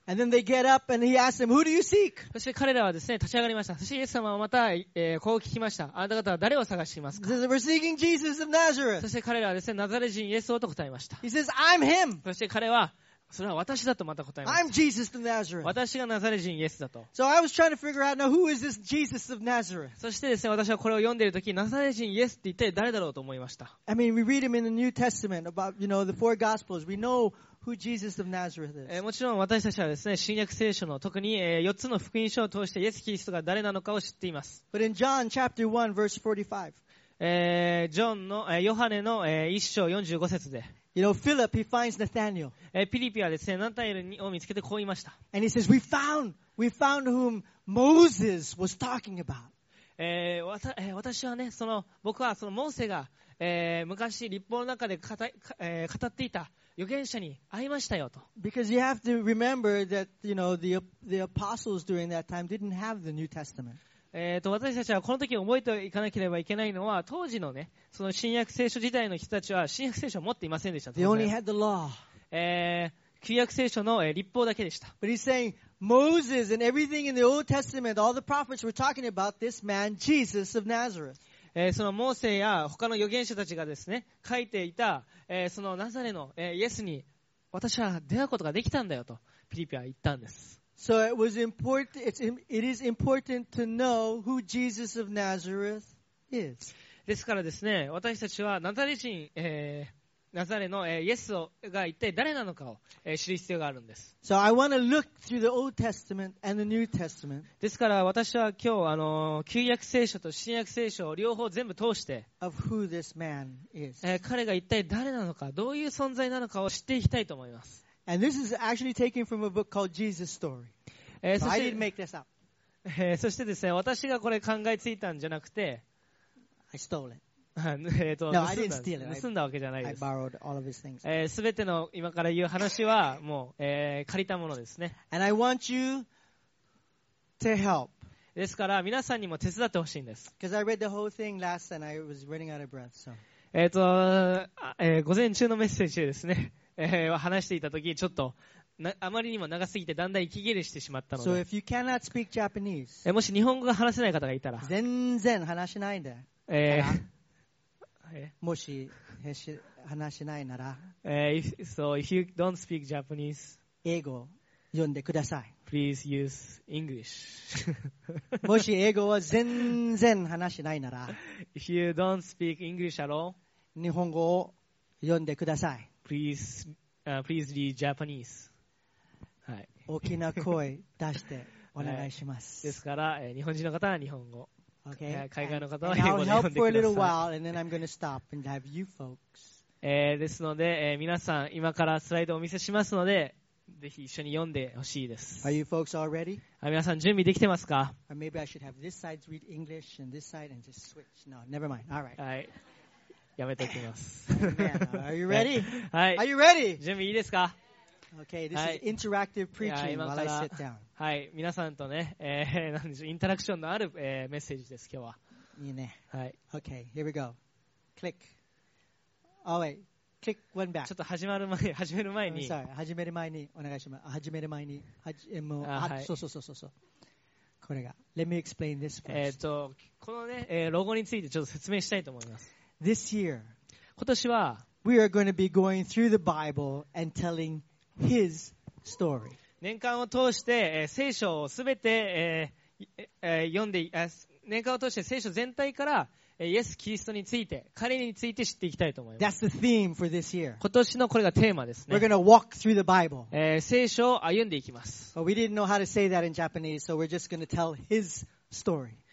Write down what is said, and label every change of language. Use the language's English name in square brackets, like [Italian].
[English] And then they get up and he asked them, "Who do you seek?" [Japanese] そして彼らはですね、立ち上がりました。そしてイエス様はまた、こう聞きました。あなた方は誰を探していますか？ [English] He says, "We're seeking Jesus of Nazareth." [Japanese] そして彼らはですね、ナザレ人イエスをと答えました。 [English] He says, "I'm him." [Japanese] そして彼は、それは私だとまた答えました。 [English] I'm Jesus of Nazareth. [Japanese] 私がナザレ人イエスだと。 [English] So I was trying to figure out, now who is this Jesus of Nazareth? [Japanese] そしてですね、私はこれを読んでいるとき、ナザレ人イエスって一体誰だろうと思いました。 [English] I mean, we read him in the New Testament about, you know, the four Gospels. We knowWho Jesus of Nazareth is. [Japanese] もちろん私たちはですね、新約聖書の特に、4つの福音書を通してイエス・キリストが誰なのかを知っています。 [English] But in John chapter 1 verse 45. [Japanese] ジョンの、ヨハネの、1章45節で。 [English] You know, Philip, he finds Nathaniel. [Japanese] ピリピはですね、ナタエルを見つけてこう言いました。 [English] And he says, we found whom Moses was talking about. [Japanese] 私はね、その、僕はそのモーセが、昔律法の中で語っていた預言者に会いましたよと。 [English] Because you have to remember that, you know, the apostles during that time didn't have the New Testament. [Japanese] 私たちはこの時覚えていかなければいけないのは、当時のね、その新約聖書時代の人たちは新約聖書を持っていませんでした。 [English] They only had the law. [Japanese] 旧約聖書の律法だけでした。 [English] But he's saying Moses and everything in the Old Testament, all the prophets were talking about this man, Jesus of Nazareth. [Japanese] そのモーセや他の預言者たちがですね、書いていた、そのナザレの、イエスに私は出会うことができたんだよとピリピは言ったんです。 [English] So it was important. It is important to know who Jesus of Nazareth is. [Japanese] ですからですね、私たちはナザレ人、ナザレの、イエスが一体誰なのかを、知る必要があるんです。 [English] So I want to look through the Old Testament and the New Testament. [Japanese] ですから私は今日、旧約聖書と新約聖書を両方全部通して、 [English] of who this man is. [Japanese] 彼が一体誰なのか、どういう存在なのかを知っていきたいと思います。 [English] And this is actually taken from a book called Jesus Story. So I didn't make this up. [Japanese] そしてですね、私がこれ考えついたんじゃなくて、 [English] I stole it. No, I didn't steal it. [Japanese] 盗んだわけじゃないです。 [English] I borrowed all of his things. [Japanese] すべての今から言う話はもう、借りたものですね。 [English] And I want you to help. [Japanese] ですから皆さんにも手伝ってほしいんです。 [English] Because I read the whole thing last and I was running out of breath. So. [Japanese] 午前中のメッセージですね、話していた時ちょっとあまりにも長すぎてだんだん息切れしてしまったので、 [English] So if you cannot speak Japanese, [Japanese] もし日本語が話せない方がいたら全然話しないで、もし話しないなら、 [English] So if you don't speak Japanese, [Japanese] 英語読んでください。 [English] Please use English. [Japanese] もし英語は全然話しないなら、 [English] If you don't speak English at all, [Japanese] 日本語を読んでください。 [English] Please read Japanese. [Japanese] 大きな声出してお願いします。ですから、日本人の方は日本語、 [English] okay. [Japanese] 海外の方は英語で読んでください。 [English] I'll help for a little while and then I'm going to stop and have you folks. [Japanese] ですので、皆さん今からスライドをお見せしますので、ぜひ一緒に読んでほしいです。 [English] Are you folks all ready? [Japanese] 皆さん準備できてますか？ [English] Or maybe I should have this side read English and this side and just switch. No, never mind. All right. [Japanese] はい、やめておきます。 [English] Man, are you ready? [Japanese] はい。 [English] Are you ready? [Japanese] 準備いいですか？ [English] Okay, this is interactive preaching while I sit down. [Japanese] はい、皆さんとね、なんでしょう、インタラクションのある、メッセージです、今日は。いいね。はい。 [English] Okay, here we go. Click. Oh, wait. Click one back. [Japanese] ちょっと始める前に、 [English] oh, sorry. [Japanese] 始める前にお願いします。始める前に、そう、これが Let me explain this first. この、ね、ロゴについてちょっと説明したいと思います。 [English] This year [Japanese] 今年は [English] We are going to be going through the Bible and telling his story. [Japanese] 年間を通して、聖書をすべて、読んで、年間を通して聖書全体からイエス・キリストについて、彼について知っていきたいと思います。 [English] That's the theme for this year. [Japanese] 今年のこれがテーマですね。 [English] We're gonna walk through the Bible. [Japanese] 聖書を歩んでいきます。 [English] We didn't know how to say that in Japanese, so we're just gonna tell his story.